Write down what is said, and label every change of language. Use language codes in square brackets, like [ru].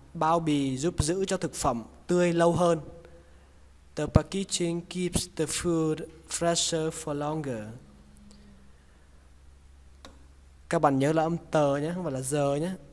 [vi] Bao bì giúp giữ cho thực phẩm tươi lâu hơn. [en] The packaging keeps the food fresher for longer. [vi] Các bạn nhớ là âm tờ nhé, không phải là giờ nhé.